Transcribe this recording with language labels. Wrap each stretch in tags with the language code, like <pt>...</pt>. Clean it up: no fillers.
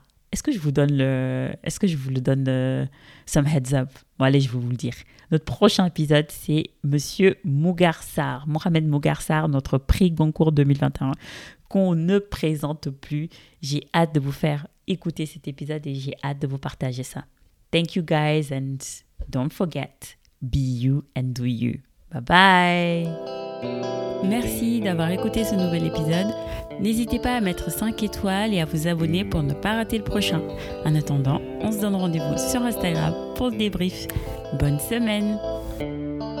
<fr>Est-ce que je vous le donne</fr> <en>some heads up?</en> <fr>Bon, allez, je vais vous le dire. Notre prochain épisode, c'est Monsieur Mougarsar, Mohamed Mougarsar, notre prix Goncourt 2021 qu'on ne présente plus. J'ai hâte de vous faire écouter cet épisode et j'ai hâte de vous partager ça.</fr> <en>Thank you guys and don't forget, be you and do you.</en> <fr>Bye bye! Merci d'avoir écouté ce nouvel épisode. N'hésitez pas à mettre 5 étoiles et à vous abonner pour ne pas rater le prochain. En attendant, on se donne rendez-vous sur Instagram pour le débrief. Bonne semaine!</fr>